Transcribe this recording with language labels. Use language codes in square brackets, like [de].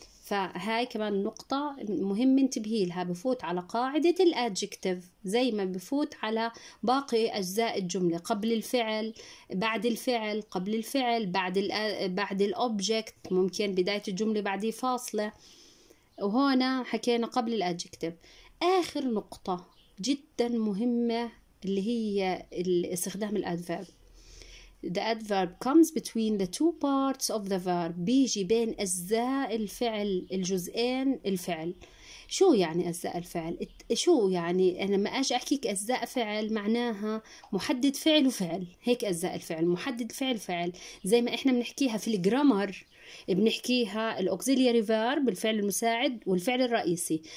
[ar] فهاي كمان نقطة مهم انتبهي لها بفوت على قاعدة adjective زي ما بفوت على باقي أجزاء الجملة قبل الفعل بعد الفعل قبل الفعل بعد الobject ممكن بداية الجملة بعدي فاصلة. وهنا حكينا قبل الأدجكتيف. آخر نقطة جدا مهمة اللي هي استخدام الأدفيرب. [en] The adverb comes between the two parts of the verb. [ar] بيجي بين أجزاء الفعل الجزئين الفعل. شو يعني أجزاء الفعل؟ شو يعني أنا ما أجي أحكيك أجزاء فعل معناها محدد فعل وفعل. هيك أجزاء الفعل محدد فعل فعل زي ما إحنا بنحكيها في الجرامر بنحكيها الأوكسيليري فيرب بالفعل المساعد والفعل الرئيسي.